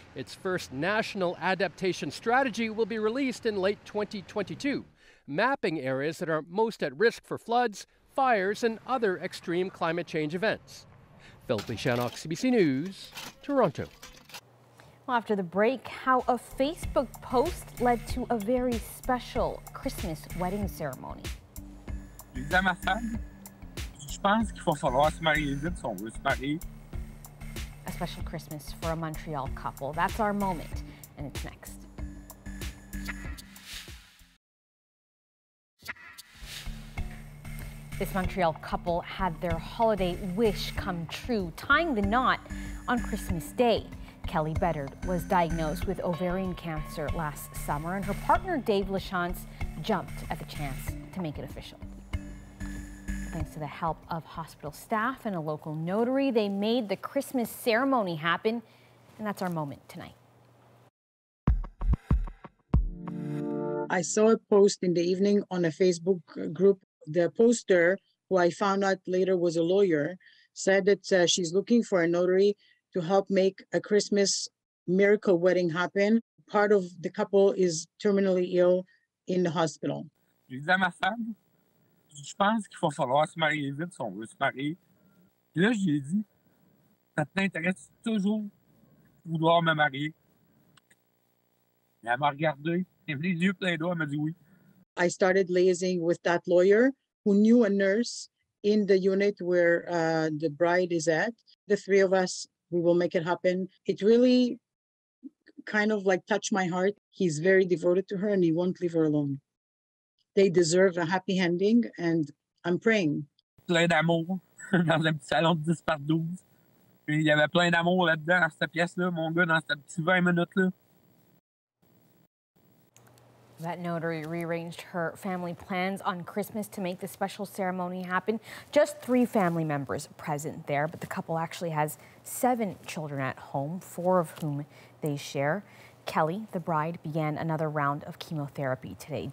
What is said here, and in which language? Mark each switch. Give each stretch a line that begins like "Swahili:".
English: Its first national adaptation strategy will be released in late 2022, mapping areas that are most at risk for floods, fires, and other extreme climate change events. Philip Lee Shannock, CBC News, Toronto. Well, after the break, how a Facebook post led to a very special Christmas wedding ceremony.
French: Les amis à ma femme, je pense qu'il faut falloir se marier vite si on veut se marier.
English: A special Christmas for a Montreal couple. That's our moment, and it's next. This Montreal couple had their holiday wish come true, tying the knot on Christmas Day. Kelly Bedard was diagnosed with ovarian cancer last summer, and her partner Dave Lachance jumped at the chance to make it official. Thanks to the help of hospital staff and a local notary, they made the Christmas ceremony happen, and that's our moment tonight. I saw a post in the evening on a Facebook group. The poster, who I found out later was a lawyer, said that she's looking for a notary to help make a Christmas miracle wedding happen. Part of the couple is terminally ill in the hospital.
French: Je disais à ma femme, je pense qu'il faut falloir se marier vite si on veut se marier. Puis là, j'ai dit, ça t'intéresse toujours vouloir me marier. Et elle m'a regardé, elle avait les yeux pleins d'eau, elle m'a dit oui.
English: I started liaising with that lawyer who knew a nurse in the unit where the bride is at. The three of us, we will make it happen. It really kind of like touched my heart. He's very devoted to her and he won't leave her alone. They deserve a happy ending and I'm praying.
French: plein d'amour dans un petit salon de 10 par 12. Puis il y avait plein d'amour là-dedans, dans cette pièce-là, mon gars, dans cette petite 20 minutes-là.
English: That notary rearranged her family plans on Christmas to make the special ceremony happen. Just three family members present there, but the couple actually has seven children at home, four of whom they share. Kelly, the bride, began another round of chemotherapy today.